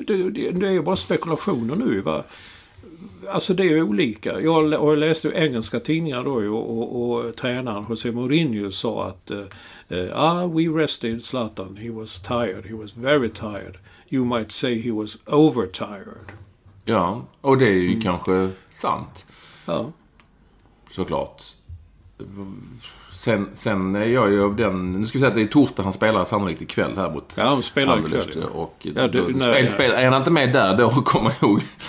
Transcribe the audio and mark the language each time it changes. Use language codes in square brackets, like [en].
[sv] Det är ju bara spekulationer nu, va? Alltså det är ju olika. Jag läste ju engelska tidningar då, och tränaren Jose Mourinho sa att [en] we rested Zlatan, he was tired, he was very tired. You might say he was overtired. [sv] Ja, och det är ju kanske sant. Ja. Såklart. Sen är jag ju av den, nu ska vi säga att det är torsdag han spelar sannolikt ikväll här mot. Ja, han spelar ikväll. Och är han inte med där då, kommer jag ihåg.